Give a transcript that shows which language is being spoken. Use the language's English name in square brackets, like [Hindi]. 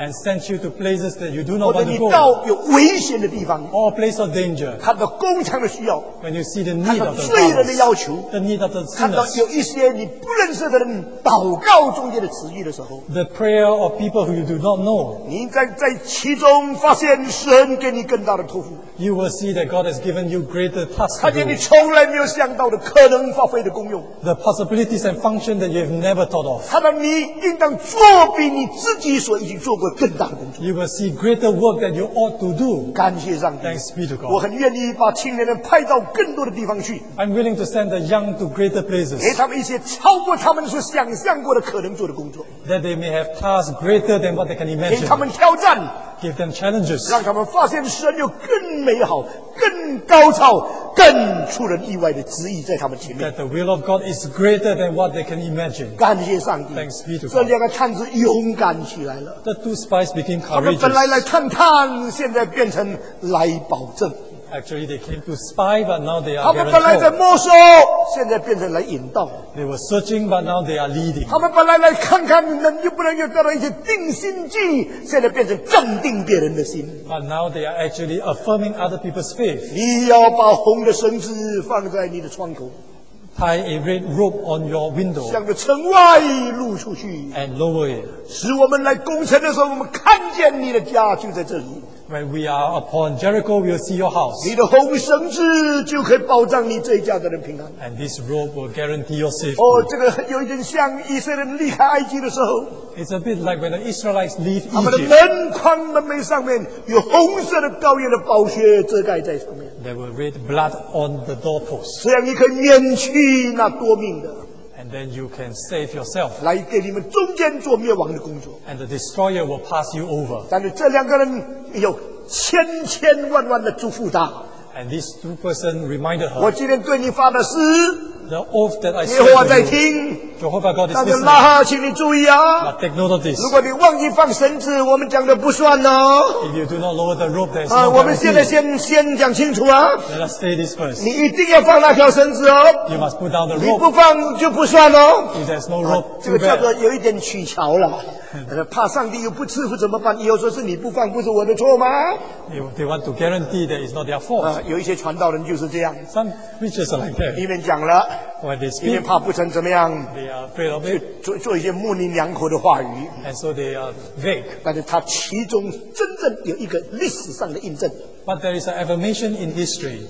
[English] ，and sent you to places that you do not want to go, [Chinese] 或者你到有危险的地方 [English] ，or place of danger, [Chinese] 看到工厂的需要 [English] ，when you see the need of the sinners, [Chinese] 看到罪人的要求 [English] ，the need of the sinners, [Chinese] 看到有一些你不认识的人祷告中间的词语的时候 [English] ，the prayer of people who you do not know, [Chinese] 你在其中发现神给你更大的托付 [English] ，you will see that God has given you greater task, [Chinese] 看见你从来没有想到的可能发挥的功用 [English] ，the possibilities and function that you have never thought of。 [Chinese] 看到你应当做比你自己所已经做过更大的工作。 [English] You will see greater work than you ought to do. [Chinese] 感谢上帝。 [English] Thanks be to God. [Chinese] 我很愿意把青年人派到更多的地方去。 [English] I'm willing to send the young to greater places. [Chinese] 给他们一些超过他们所想象过的可能做的工作。 [English] That they may have tasks greater than what they can imagine. [Chinese] 给他们挑战。 [English] Give them challenges. [Chinese] 让他们发现神有更美好、更高超、更出人意外的旨意在他们前面。 [English] That the will of God is greater than what they can imagine. [Chinese] 感谢上帝。 [English] Thanks be to God. [Chinese] 这两个探子勇敢起来了。 [English] The two spies became courageous. [Chinese] 他们本来来探探，现在变成来保证。 [English] Actually, they came to spy, but now they are. [Chinese] 他们本来在摸索，现在变成来引导。 [English] They were searching, but now they are leading. [Chinese] 他们本来来看看能又不能又得到一些定心剂，现在变成镇定别人的心。 [English] But now they are actually affirming other people's faith. [Chinese] 你要把红的绳子放在你的窗口。 [English] Tie a red rope on your window. [Chinese] 向着城外露出去。 [English] And lower it. [Chinese] 使我们来攻城的时候，我们看见你的家就在这里。 [English] When we are upon Jericho, we will see your house. [Chinese] 你的红绳子就可以保障你这一家的人平安。 [English] And this rope will guarantee your safety. [Chinese] 哦，这个有一点像以色列离开埃及的时候。 [English] It's a bit like when the Israelites leave Egypt. [Chinese] 他们的门框门楣上面有红色的羔羊的宝血遮盖在上面。 [English] There will read blood on the doorpost. [Chinese] 这样你可以免去那夺命的。 [English] And then you can save yourself. [Chinese] 来给你们中间做灭亡的工作。 [English] And the destroyer will pass you over. [Chinese] 但是这两个人有千千万万的祝福他。 [English] And these two persons reminded her. [Chinese] 我今天对你发的誓。 [English] The oath that I said. [Chinese] 耶和华在听。 [English] Jehovah God is listening. [Chinese] 那就拉哈，请你注意啊。 [English] But take note of this. [Chinese] 如果你忘记放绳子，我们讲的不算哦。 [English] If you do not lower the rope, there's no guarantee. [Chinese] 我们现在先讲清楚啊。 [English] Let us say this first. [Chinese] 你一定要放那条绳子哦。 [English] You must put down the rope. [Chinese] 你不放就不算哦。 [English] If there's no rope, [Chinese] 这个叫做有一点取巧了。怕上帝又不赐福怎么办？以后说是你不放，不是我的错吗 [English] ？They want to guarantee that it's not their fault. [Chinese] 有一些传道人就是这样。 [English] Some preachers are like that. [Chinese] 一边讲了 [English] ，when they speak, [Chinese] 一边怕不成怎么样 [English] ，they are afraid of it. [Chinese] 做一些模棱两可的话语 [English] ，and so they are vague. [Chinese] 但是他其中真正有一个历史上的印证。 [English] But there is an affirmation in history.